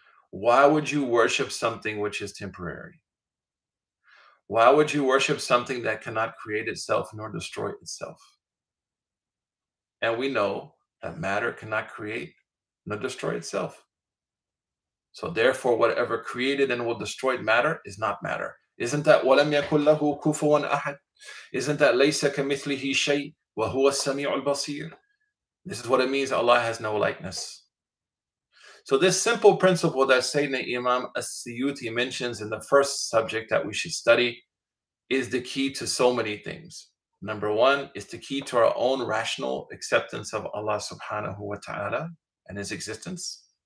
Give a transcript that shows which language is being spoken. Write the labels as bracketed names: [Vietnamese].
[English] Why would you worship something which is temporary? Why would you worship something that cannot create itself nor destroy itself? And we know that matter cannot create not destroy itself. So therefore, whatever created and will destroy matter is not matter. Isn't that [Arabic] وَلَمْ يَكُلْ لَهُ كُفُوًا أَحَدٍ? [English] Isn't that [Arabic] لَيْسَ كَمِثْلِهِ شَيْءٍ وَهُوَ السَّمِيعُ الْبَصِيرُ? [English] This is what it means, Allah has no likeness. So this simple principle that Sayyidina Imam al-Suyutti mentions in the first subject that we should study is the key to so many things. Number one, is the key to our own rational acceptance of Allah subhanahu wa ta'ala and His existence.